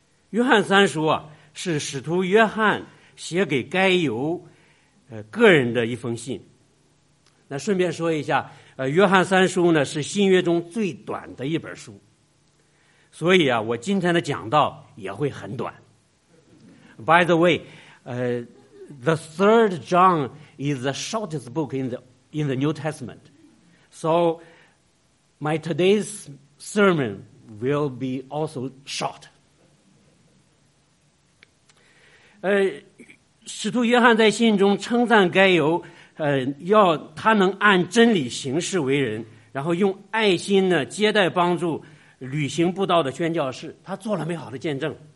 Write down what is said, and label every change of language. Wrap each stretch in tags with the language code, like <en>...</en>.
<zh>约翰三书啊是使徒约翰写给该犹个人的一封信。那顺便说一下，约翰三书呢是新约中最短的一本书，所以啊我今天的讲道也会很短。</zh> <en>By the way, the third John is the shortest book in the New Testament, so my today's sermon will be also short.</en> <zh>使徒约翰在信中称赞该犹，要他能按真理行事为人，然后用爱心呢接待帮助旅行布道的宣教士，他做了美好的见证。</zh>